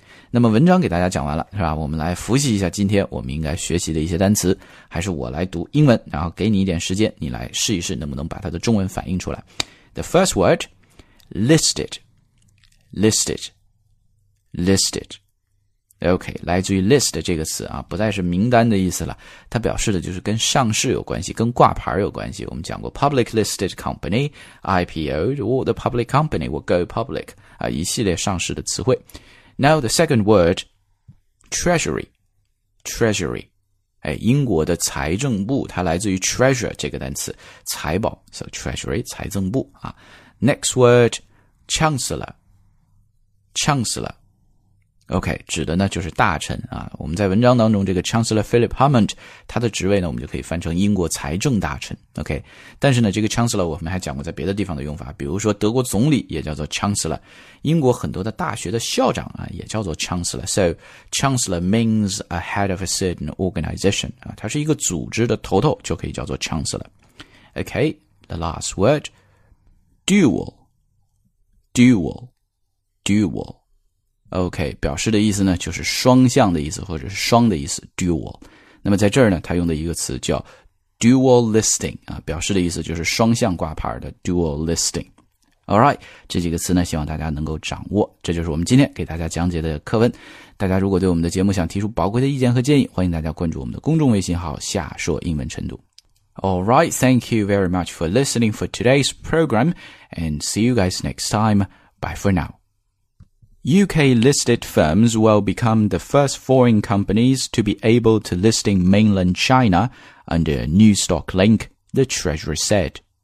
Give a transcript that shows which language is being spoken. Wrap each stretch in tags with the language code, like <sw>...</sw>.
<zh>那么文章给大家讲完了是吧，我们来复习一下今天我们应该学习的一些单词，还是我来读英文然后给你一点时间你来试一试能不能把它的中文反映出来。</zh> <en>The first word, listed, listed, listed.</en> <zh>OK, 来自于 list 这个词啊，不再是名单的意思了，它表示的就是跟上市有关系，跟挂牌有关系。我们讲过</zh> <en>public listed company, IPO, or the public company will go public,</en> <zh>啊，一系列上市的词汇。</zh> <en>Now the second word, treasury, treasury.</en> <zh>英国的财政部它来自于 treasure 这个单词，财宝 ,so treasury, 财政部。</zh> <en>Next word, chancellor, chancellor.</en> <zh>OK, 指的呢就是大臣啊。我们在文章当中这个 chancellor Philip Hammond, 他的职位呢我们就可以翻成英国财政大臣。 OK, 但是呢这个 chancellor 我们还讲过在别的地方的用法，比如说德国总理也叫做 chancellor, 英国很多的大学的校长啊也叫做 chancellor,</zh> <en>so chancellor means a head of a certain organization,</en> <zh>啊他是一个组织的头头就可以叫做 chancellor.</zh> <en>OK, the last word, dual, dual, dual.</en> <zh>OK, 表示的意思呢就是双向的意思或者是双的意思 dual。那么在这儿呢他用的一个词叫 dual listing, 啊表示的意思就是双向挂牌的 dual listing。 Alright, 这几个词呢希望大家能够掌握。这就是我们今天给大家讲解的课文。大家如果对我们的节目想提出宝贵的意见和建议，欢迎大家关注我们的公众微信号下说英文晨读。</zh> <en>Alright, thank you very much for listening for today's program, and see you guys next time. Bye for now. UK listed firms will become the first foreign companies to be able to list in mainland China under a new stock link, the Treasury said.</en>